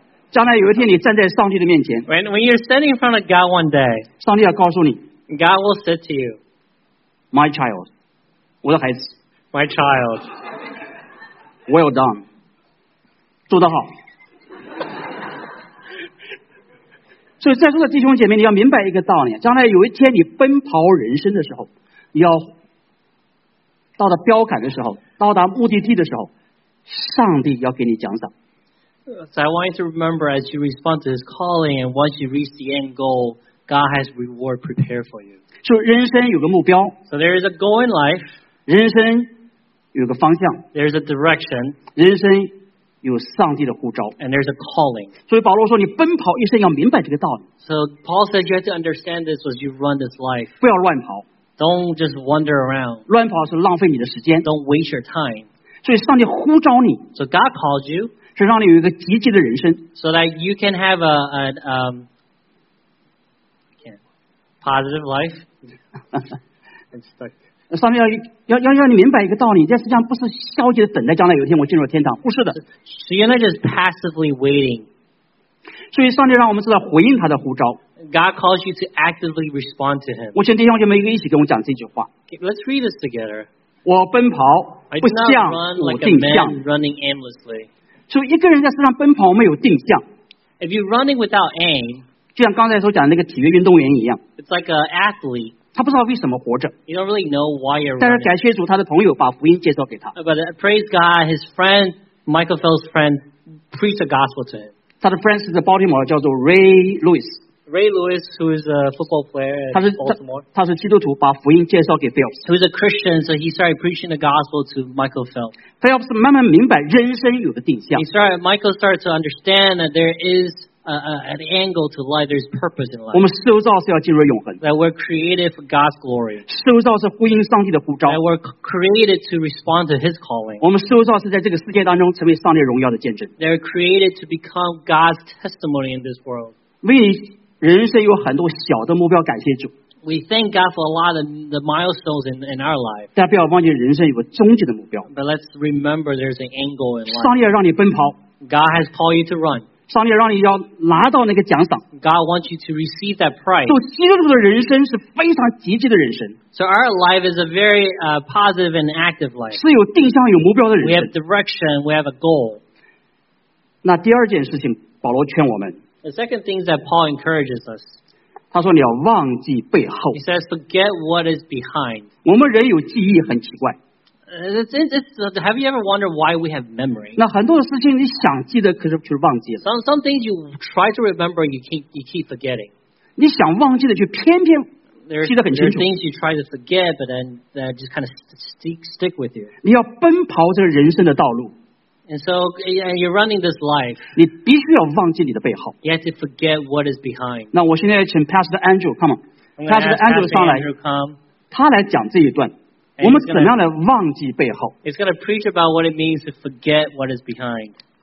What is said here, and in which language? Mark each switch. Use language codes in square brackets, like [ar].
[zh] 将来有一天你站在上帝的面前。 [en] When you're standing in front of God one day. [zh] 上帝要告诉你。 [en] God will say to you, My child, [zh] 我的孩子 [en] My child, well done, [zh] 做得好。所以在座的弟兄姐妹，你要明白一个道理，将来有一天你奔跑人生的时候，你要到达标杆的时候，到达目的地的时候，上帝要给你奖赏。 [en] So I want you to remember as you respond to His calling and once you reach the end goal,God has reward prepared for you. [zh] 就人生有个目标。 [en] So there is a goal in life. [zh] 人生有个方向。 [en] There is a direction. [zh] 人生有上帝的呼召。 [en] And there is a calling. [zh] 所以保罗说，你奔跑一生要明白这个道理。 [en] So Paul says you have to understand this as you run this life. [zh] 不要乱跑。 [en] Don't just wander around. [zh] 乱跑是浪费你的时间。 [en] Don't waste your time. [zh] 所以上帝呼召你。 [en] So God calls you. [zh] 是让你有一个积极的人生。 [en] So that you can have a positive life. It's stuck. [zh] 上帝要你明白一个道理，这实际上不是消极的等待将来有一天我进入天堂，不是的。 [en] So you're not just passively waiting. [zh] 所以上帝让我们知道回应他的呼召。 [en] God calls you to actively respond to Him. [zh] 我劝弟兄姐妹一起跟我讲这句话。 [en] Okay, let's read this together. [zh] 我奔跑不像无定向。 [en] I do not run like a man running aimlessly. [zh] 所以一个人在世上奔跑没有定向。 [en] If you're running without aim, [zh] 就像刚才所讲的那个体育运动员一样。 [en] It's like an athlete. [zh] 他不知道为什么活着。 [en] You don't really know why you're. [zh] 但是感谢主，他的朋友把福音介绍给他。 [en] But praise God, his friend Michael Phelps' friend preached the gospel to him. [zh] 他的 friend 是在 Baltimore 叫做 Ray Lewis. [en] Ray Lewis, who is a football player in Baltimore. [zh] 他是基督徒，把福音介绍给 Phelps. [en] Who is a Christian, so he started preaching the gospel to Michael Phelps. [zh] Phelps 慢慢明白人生有个定向。 [en] Michael started to understand that there is. An angle to life, there's purpose in life. [zh] 我们受造是要进入永恒。 [en] That we're created for God's glory. [zh] 受造是呼应上帝的呼召。 [en] That we're created to respond to His calling. [zh] 我们受造是在这个世界当中成为上帝荣耀的见证。 [en] They're created to become God's testimony in this world. [zh] 为人生有很多小的目标感谢主。 [en] We thank God for a lot of the milestones in our life. [zh] 但不要忘记人生有个终极的目标。 [en] But let's remember there's an angle in life. [zh] 上帝要让你奔跑。 [en] God has called you to run. [zh] 上帝让你要拿到那个奖赏。 [en] God wants you to receive that prize. [zh] 所以基督的人生是非常积极的人生。 [en] So our life is a very positive and active life. [zh] 是有定向、有目标的人生。 [en] We have direction. We have a goal. [zh] 那第二件事情，保罗劝我们。 [en] The second thing that Paul encourages us. [zh] 他说你要忘记背后。 [en] He says forget what is behind. [zh] 我们人有记忆很奇怪。 [en] Have you ever wondered why we have memory? [zh] 那很多事情你想记得，可是却忘记了。 [en] Some things you try to remember, you keep forgetting. [zh] 你想忘记的，却偏偏记得很清楚。 [en] There are things you try to forget, but then that just kind of stick with you. [zh] 你要奔跑这人生的道路。 [en] And so, and you're running this life. [zh] 你必须要忘记你的背后。 [en] You have to forget what is behind. [zh] 那我现在请 Pastor Andrew [en] come on, Pastor [zh] Andrew 上来，他来讲这一段。我们怎样来忘记背后？ [en] He's going to preach about what it means to forget what is behind.